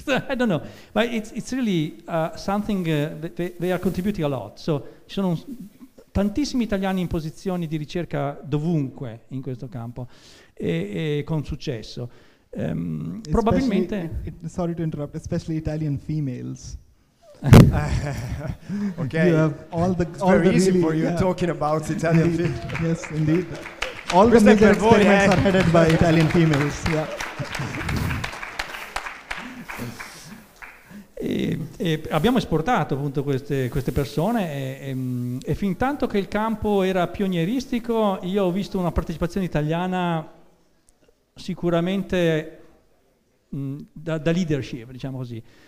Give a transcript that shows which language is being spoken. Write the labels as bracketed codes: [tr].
[en] I don't know, but it's really something they are contributing a lot. [it] So ci sono tantissimi italiani in posizioni di ricerca dovunque in questo campo e con successo. Probabilmente [en] especially, sorry to interrupt, especially Italian females. Okay. You have all the, it's all very the easy really, for you, yeah, talking about Italian females. Yes, indeed. All the major experiments are headed by Italian females. Yeah. [it] E abbiamo esportato appunto queste persone e fin tanto che il campo era pionieristico, io ho visto una partecipazione italiana sicuramente da leadership, diciamo così.